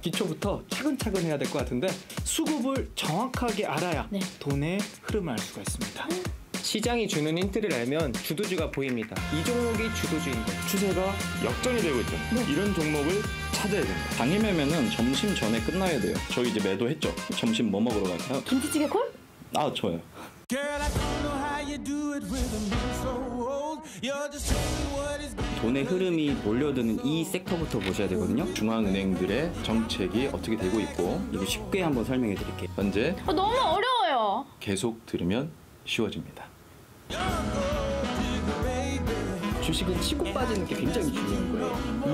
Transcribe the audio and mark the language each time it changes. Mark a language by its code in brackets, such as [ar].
[ko] 기초부터 차근차근 해야 될 것 같은데 수급을 정확하게 알아야 네. 돈의 흐름을 알 수가 있습니다. 시장이 주는 힌트를 알면 주도주가 보입니다. 이 종목이 주도주인 거예요. 추세가 역전이 되고 있죠. 네. 이런 종목을 찾아야 됩니다. 당일 매매는 점심 전에 끝나야 돼요. 저 이제 매도했죠. 점심 뭐 먹으러 갈까요? 김치찌개 콜? 아, 좋아요. [en] Girl, I don't know how you do it with a moon so old. You're just showing what is. [ko] 돈의 흐름이 몰려드는 이 섹터부터 보셔야 되거든요. 중앙은행들의 정책이 어떻게 되고 있고, 이거 쉽게 한번 설명해 드릴게요. 현재. 아, 너무 어려워요. 계속 들으면 쉬워집니다. 주식은 치고 빠지는 게 굉장히 중요한 거예요.